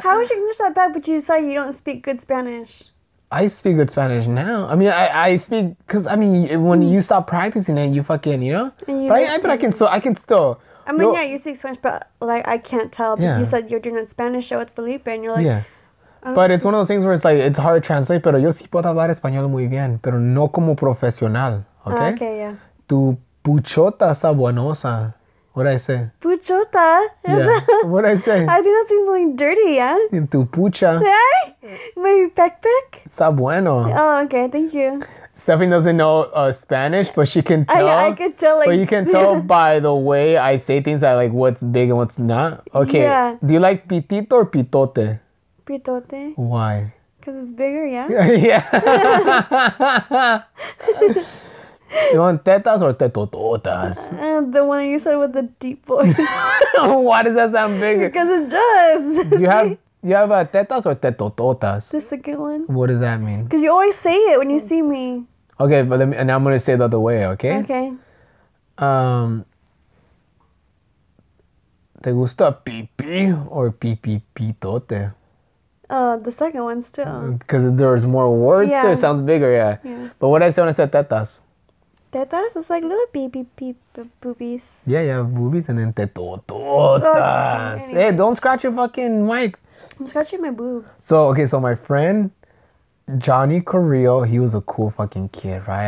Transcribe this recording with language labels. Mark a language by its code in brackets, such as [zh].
[en] How is your English that bad, but you say you don't speak good Spanish? I speak good Spanish now. I mean, I speak, because, I mean, when you stop practicing it, you fucking, you know? But I can still. I mean, you speak Spanish, but, like, I can't tell. But yeah. You said you're doing that Spanish show with Felipe, and you're like... Yeah. But it's one of those things where it's like, it's hard to translate, [es] pero yo sí puedo hablar español muy bien, pero no como profesional, [en] okay? Okay, yeah. [es] Tu puchota está buenosa. [en] What did I say? [es] Puchota? [en] Yeah. What did I say? I think that seems like dirty, yeah? [es] Tu pucha. [en] Hey! My backpack? [es] Está bueno. [en] Oh, okay, thank you. Stephanie doesn't know Spanish, but she can tell. I could tell. Like, but you can tell by the way I say things, that like what's big and what's not. Okay. Yeah. Do you like pitito or pitote? [es] Pitote. [en] Why? Because it's bigger, yeah? Yeah. You want tetas or tetototas? The one you said with the deep voice. Why does that sound bigger? Because it does. Do you have tetas or tetototas? The second one. What does that mean? Because you always say it when you see me. Okay, but now I'm going to say it the other way, okay? Okay. [es] ¿Te gusta pipi or pipi pitote? [en] The second one's too. Because there's more words, yeah. So it sounds bigger, yeah. Yeah. But what did I say when I said tetas? [es] Tetas? [en] It's like little boobies. Yeah, yeah, boobies and then tetototas. Okay, hey, don't scratch your fucking mic. I'm scratching my boob. So my friend, Johnny Carrillo, he was a cool fucking kid, right?